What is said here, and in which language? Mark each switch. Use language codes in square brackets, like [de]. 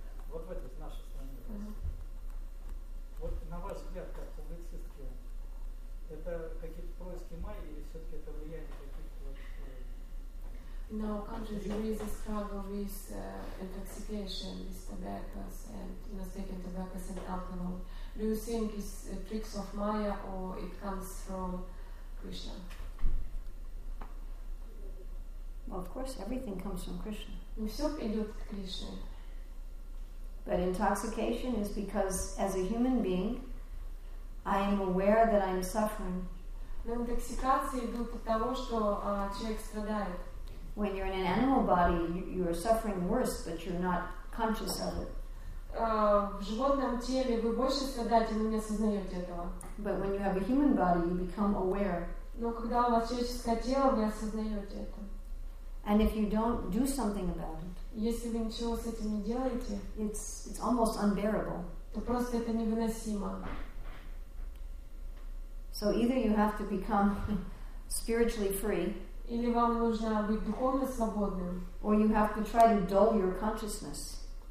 [ru] Вот в этой в нашей стране. Вот на ваш взгляд, как публицистки, это какие-то происки майи или все-таки это влияние каких-то вот... [en] No, country, there is a struggle with intoxication, with tobacco, and mistaken tobacco and alcohol. Do you think it's tricks of Maya or it comes from Krishna? Well, of course, everything comes from Krishna. [ru] Все идет к Кришне. [en] But intoxication is because, as a human being, I am aware that I am suffering. [ru] Но интоксикация идет от того, что человек страдает. [en] When you're in an animal body, you are suffering worse, but you're not conscious of it. [ru] В животном теле вы больше страдаете, но не осознаете этого. [en] But when you have a human body, you become aware. [ru] Но когда у вас человеческое тело, вы осознаете это. [en] And if you don't do something about it, [ru] если вы ничего с этим не делаете, [en] it's almost unbearable. [ru] То просто это невыносимо. [en] So either you have to become spiritually free. [ru] Или вам нужно быть духовно свободным. [en] Or you have to try to dull your consciousness.